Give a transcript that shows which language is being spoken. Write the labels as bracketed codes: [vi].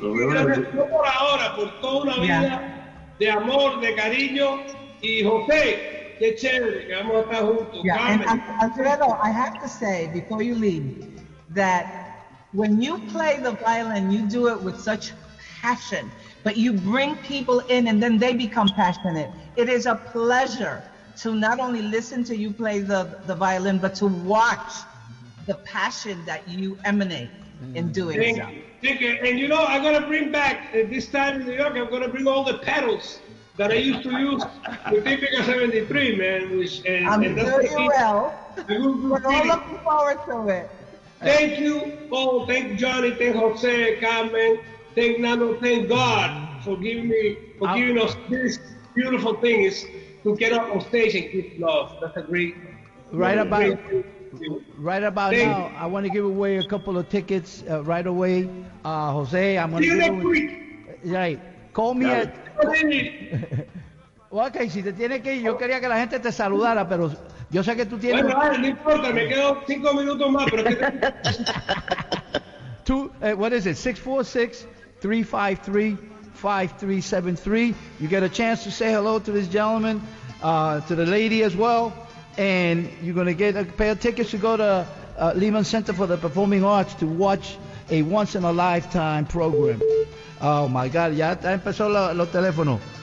[es] Gracias por ahora, por toda una vida de amor, de cariño. [en] Yeah, and Alfredo, I have to say before you leave that when you play the violin, you do it with such passion, but you bring people in and then they become passionate. It is a pleasure to not only listen to you play the violin, but to watch the passion that you emanate in doing so. Thank you. And you know, I'm going to bring back this time in New York, I'm going to bring all the pedals that I used to use the Typica 73, man. We're all looking forward to it. Thank you, Paul. Thank Johnny. Thank Jose, Carmen. Thank Nando. Thank God for giving us this beautiful thing is to get up on stage and give love. That's a great. Right about now, I want to give away a couple of tickets right away. Jose, I'm going to see you next week. Right. Call me at... [es] Ok, si te tienes que ir, yo quería que la gente te saludara, pero yo sé que tú tienes... Bueno, vale, no importa, me quedo 5 minutos más, pero... [en] what is it? 646-353-5373. You get a chance to say hello to this gentleman, to the lady as well, and you're going to get a pair of tickets to go to Lehman Center for the Performing Arts to watch a once-in-a-lifetime program. Oh, my God, [es] ya está empezó los teléfonos.